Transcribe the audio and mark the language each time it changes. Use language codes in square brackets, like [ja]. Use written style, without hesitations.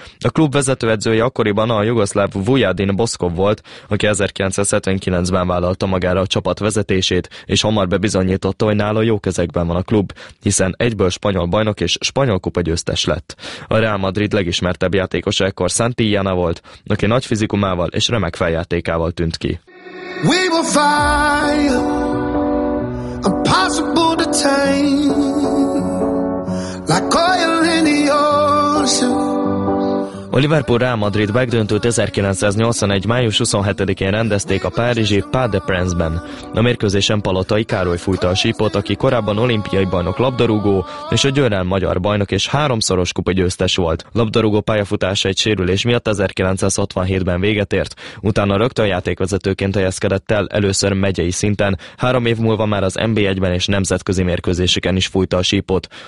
[hu] A klub vezetőedzője akkoriban a jugoszláv Vujadin Boskov volt, aki 1979-ben vállalta magára a csapat vezetését, és hamar bebizonyította, hogy nála jó kezekben van a klub, hiszen egyből spanyol bajnok és spanyol kupa győztes lett. A Real Madrid legismertebb játékosa ekkor Santillana volt, aki nagy fizikumával és remek feljátékával tűnt ki. [en] We will fly, impossible to tame, like oil in the ocean. [hu] A Liverpool Real Madrid Beck döntőt 1981. május 27-én rendezték a párizsi Parc des Princes-ben. A mérkőzésen Palotai Károly fújta a sípot, aki korábban olimpiai bajnok labdarúgó és a győrel magyar bajnok és háromszoros kupa győztes volt. Labdarúgó pályafutása egy sérülés miatt 1967-ben véget ért, utána rögtön játékvezetőként helyezkedett el, először megyei szinten, három év múlva már az NB1-ben és nemzetközi mérkőzéseken is fújta a sípot.